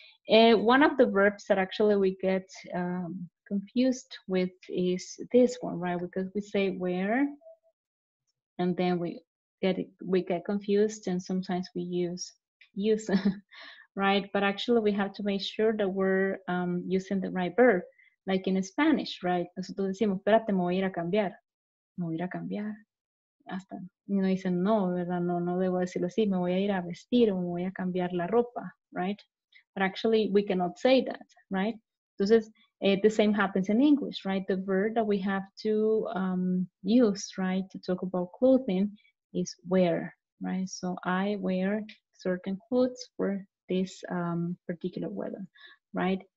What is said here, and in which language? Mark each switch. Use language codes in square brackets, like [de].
[en] And one of the verbs that actually we get confused with is this one, right? Because we say wear, and then we get confused, and sometimes we use, right? But actually we have to make sure that we're using the right verb, like in Spanish, right? [es] Nosotros decimos, espérate, me voy a ir a cambiar. Me voy a ir a cambiar. Hasta uno dice, no, ¿verdad? No, no debo decirlo así. Me voy a ir a vestir o me voy a cambiar la ropa, right? [en] But actually we cannot say that, right? Entonces, the same happens in English, right? The verb that we have to use, right, to talk about clothing is wear, right? So I wear certain clothes for this particular weather, right?